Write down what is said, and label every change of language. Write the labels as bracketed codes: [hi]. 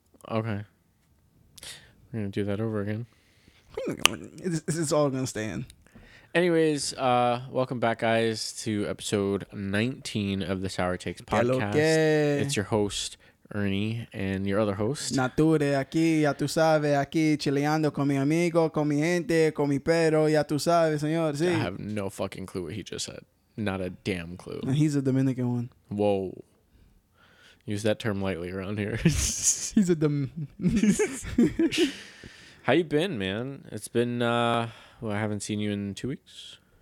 [en] Okay. We're going to do that over again. It's all going to stay in. Anyways, welcome back, guys, to episode 19 of the Sour Takes podcast. It's your host, Ernie, and your other host. [es] Nature, aquí, ya tú sabes, aquí, chileando con mi amigo, con mi gente, con mi perro, ya tú sabes, señor. Sí. [en] I have no fucking clue what he just said. Not a damn clue. And he's a Dominican one. Whoa. Use that term lightly around here. He's a How you been, man? It's been... Well, I haven't seen you in 2 weeks.